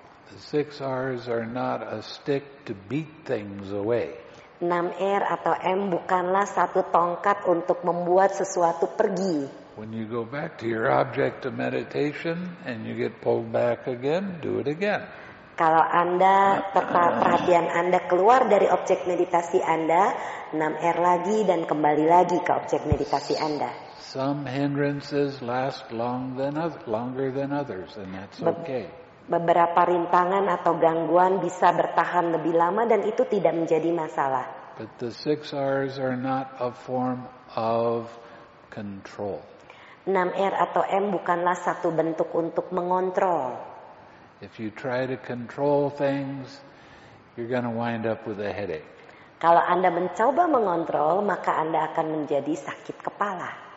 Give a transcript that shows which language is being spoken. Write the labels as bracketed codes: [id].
[en] The 6Rs are not a stick to beat things away. [id] 6R atau M bukanlah satu tongkat untuk membuat sesuatu pergi. [en] When you go back to your object of meditation and you get pulled back again, do it again. [id] Kalau Anda perhatian Anda keluar dari objek meditasi Anda, 6R lagi dan kembali lagi ke objek meditasi Anda. [en] Some hindrances last longer than others, and that's okay. [id] Beberapa rintangan atau gangguan bisa bertahan lebih lama dan itu tidak menjadi masalah. [en] But the 6Rs are not a form of control. [id] 6R atau M bukanlah satu bentuk untuk mengontrol. [en] If you try to control things, you're going to wind up with a headache. [id] Kalau Anda mencoba mengontrol, maka Anda akan menjadi sakit kepala.